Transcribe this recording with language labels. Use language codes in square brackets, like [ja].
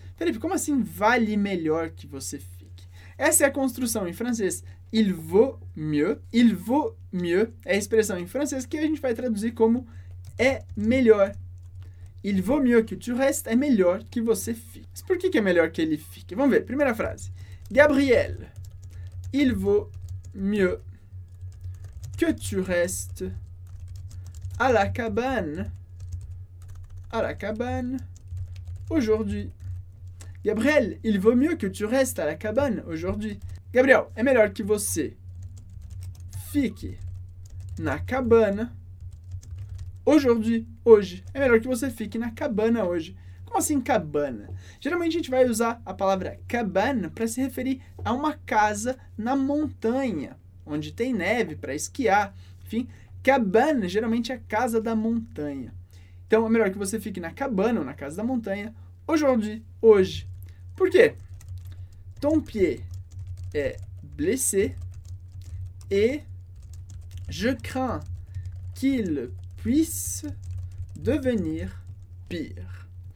[pt] Felipe, como assim vale melhor que você fique? Essa é a construção em francês. [fr] Il vaut mieux [pt] é a expressão em francês que a gente vai traduzir como é melhor. [fr] Il vaut mieux que tu restes, [pt] é melhor que você fique. Mas por que é melhor que ele fique? Vamos ver, primeira frase. [fr] Gabriel, il vaut mieux que tu restes à la cabane aujourd'hui. Gabriel, il vaut mieux que tu restes à la cabane aujourd'hui. [pt] Gabriel, é melhor que você fique na cabana [fr] aujourd'hui, [pt] hoje. É melhor que você fique na cabana hoje. Como assim cabana? Geralmente a gente vai usar a palavra cabana para se referir a uma casa na montanha, onde tem neve para esquiar, enfim. Cabana geralmente é casa da montanha. Então, é melhor que você fique na cabana ou na casa da montanha aujourd'hui, hoje. Por quê? [fr] Ton pied é blessé et je crains qu'il puisse devenir pire.